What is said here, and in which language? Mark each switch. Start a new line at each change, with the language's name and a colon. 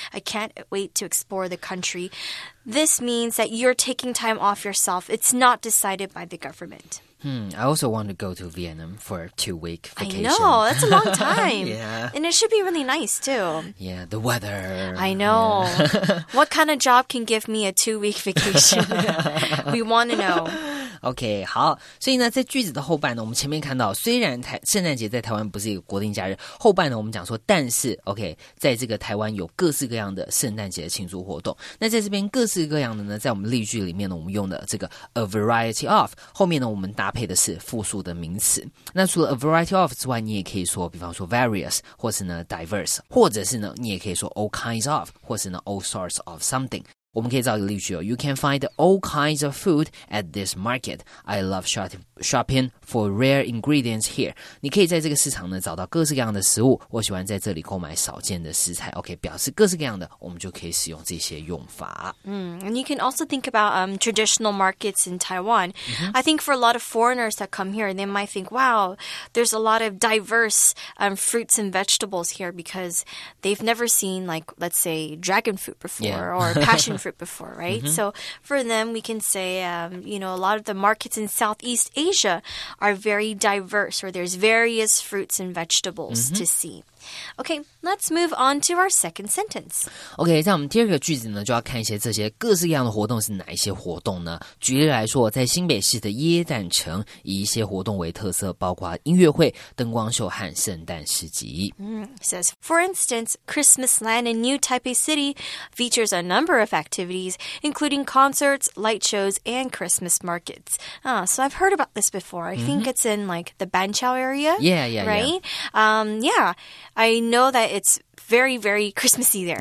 English: I can't wait to explore the country. This means that you're taking time off yourself. It's not decided by the government. I also want to go to Vietnam for a 2-week vacation. I know, that's a long time. Yeah. And it should be really nice, too. Yeah, the weather. I know. Yeah. What kind of job can give me a 2-week vacation? We want to know.
Chinese: OK, 好，所以呢，在句子的后半呢，我们前面看到，虽然圣诞节在台湾不是一个国定假日，后半呢，我们讲说，但是 OK， 在这个台湾有各式各样的圣诞节的庆祝活动。那在这边各式各样的呢，在我们例句里面呢，我们用的这个 a variety of， 后面呢，我们搭配的是复数的名词。那除了 a variety of 之外，你也可以说，比方说 various， 或是呢 diverse， 或者是呢，你也可以说 all kinds of， 或是呢 all sorts of something。我们可以造一个例句哦
English: ，You can find all kinds of food at this market. I love shopping for rare ingredients here.
Chinese: 你可以在这个市场呢找到各式各样的食物。我喜欢在这里购买少见的食材。 OK， 表示各式各样的，我们就可以使用这些用法。
English: And you can also think about traditional markets in Taiwan.、Mm-hmm. I think for a lot of foreigners that come here, they might think, "Wow, there's a lot of diverse fruits and vegetables here because they've never seen like, let's say, dragon fruit before、 yeah. or passion." fruit before, right? Mm-hmm. So for them, we can say, you know, a lot of the markets in Southeast Asia are very diverse, where there's various fruits and vegetables、mm-hmm. to see. Okay, let's move on to our second sentence.
Chinese: Okay, 在我们第二个句子呢，就要看一些这些各式各样的活动是哪一些活动呢？举例来说，在新北市的耶诞城，以一些活动为特色，包括音乐会、灯光秀和圣诞市集。
English: Says, for instance, Christmasland in New Taipei City features a number of activities, including concerts, light shows, and Christmas markets. So I've heard about this before. I think it's in like the Banqiao area. Yeah, yeah, right? Yeah. I know that it's very, very Christmassy there.